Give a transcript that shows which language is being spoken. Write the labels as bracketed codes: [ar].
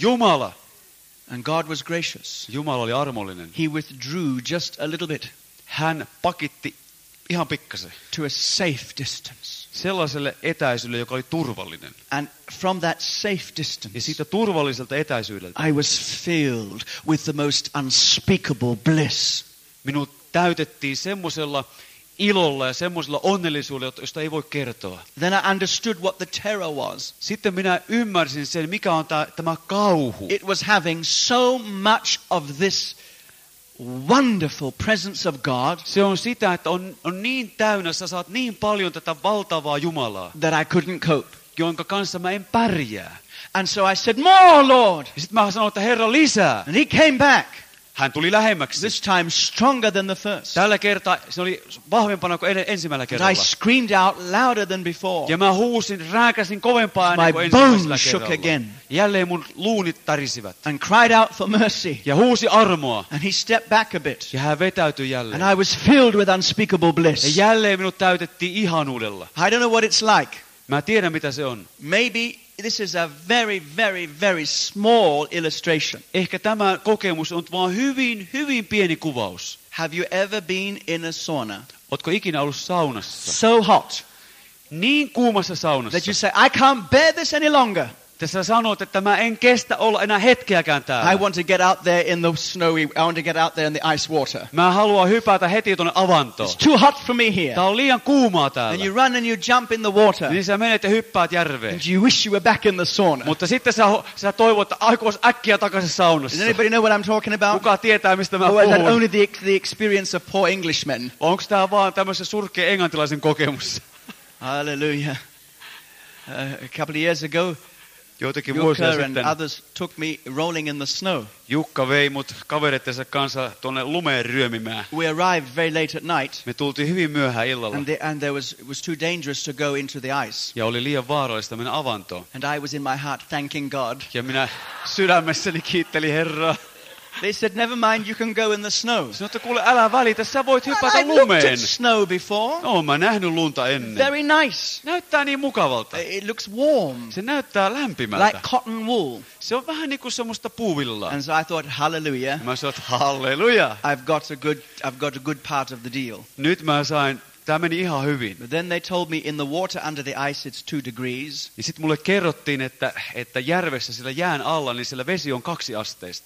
[fi] Jumala. [en] And God was gracious. [fi] Jumala oli armollinen. [en] He withdrew just a little bit. [fi] Hän pakitti ihan pikkasen. [en] To a safe distance. [fi] Sellaiselle etäisyydelle, joka oli turvallinen. [en] And from that safe distance, [fi] ja siitä turvalliselta etäisyydeltä, [en] I was filled with the most unspeakable bliss. [fi] Minut täytettiin semmoisella ilolla ja semmoisella onnellisuudella, josta ei voi kertoa. [en] Then I understood what the terror was. [fi] Sitten minä ymmärsin sen, mikä on tämä kauhu. [en] It was having so much of this wonderful presence of God. [fi] Se on sitä, että on niin täynnä, sä saat niin paljon tätä valtavaa Jumalaa. [en] That I couldn't cope. [fi] Jonka kanssa mä en pärjää. [en] And so I said, more, Lord. [fi] Ja sit mä sanoin, että Herra, lisää. [en] And he came back. [fi] Hän tuli lähemmäksi. [en] This time stronger than the first. [fi] Tällä kertaa se oli vahvempana kuin ensimmäisellä kerralla. [en] I screamed out louder than before. [fi] Ja mä huusin, rääkäsin kovempaa ennen kuin ensimmäisellä kerralla. [en] Shook again. [fi] Jälleen mun luunit tärisivät. [en] And cried out for mercy. [fi] Ja huusi armoa. [en] And he stepped back a bit. [fi] Ja hän vetäytyi jälleen. [en] And I was filled with unspeakable bliss. [fi] Ja jälleen minut täytettiin ihanuudella. [en] I don't know what it's like. [fi] Mä tiedän, mitä se on. [en] Maybe this is a very, very, very small illustration. [fi] Ehkä tämä kokemus on vaan hyvin, hyvin pieni kuvaus. [en] Have you ever been in a sauna? [fi] Ootko ikinä ollut saunassa? [en] So hot. [fi] Niin kuumassa saunassa. [en] That you say, I can't bear this any longer. [fi] Että sä sanot, että mä en kestä olla enää hetkeäkään täällä. [en] I want to get out there in the snowy, I want to get out there in the ice water. [fi] Mä haluan hypätä heti tuonne avantoon. [en] It's too hot for me here. [fi] Tää on liian kuumaa täällä. [en] And you run and you jump in the water. [fi] Niin sä menet ja hyppäät järveen. [en] And you wish you were back in the sauna. [fi] Mutta sitten sä toivot, että aikois äkkiä takaisin saunassa. [en] Does anybody know what I'm talking about? [fi] Kuka tietää, mistä mä puhun? [en] Or is that only the experience of poor Englishmen? [fi] Onks tää vaan tämmössä surkea englantilaisen kokemus? [en] Hallelujah. A couple of years ago, [fi] joitakin Jukka vuosia sitten [en] others took me rolling in the snow. [fi] Jukka vei mut kavereittensa kanssa tuonne lumeen ryömimään. [en] We arrived very late at night. [fi] Me tultiin hyvin myöhään illalla. [en] And it was too dangerous to go into the ice. [fi] Ja oli liian vaarallista mennä avantoon. [en] And I was in my heart thanking God. [fi] Ja minä sydämessäni kiittelin Herraa. [en] They said, never mind, you can go in the snow. [fi] Sanoit, että kuule, älä välitä, sä voit hypätä lumeen. [en] I've snow before. [fi] No, mä nähnyt lunta ennen. [en] Very nice. [fi] Näyttää niin mukavalta. [en] It looks warm. [fi] Se näyttää lämpimältä. [en] Like cotton wool. [fi] Se on vähän niin kuin semmoista puuvillaa. [en] And so I thought, hallelujah. [fi] Mä sanoin, hallelujah. [en] I've got a good part of the deal. [fi] Nyt mä sain, tämä meni ihan hyvin. [en] But then they told me, in the water under the ice, it's 2 degrees. [fi] Ja sitten mulle kerrottiin, että järvessä sillä jään alla, niin sillä vesi on 2 asteista.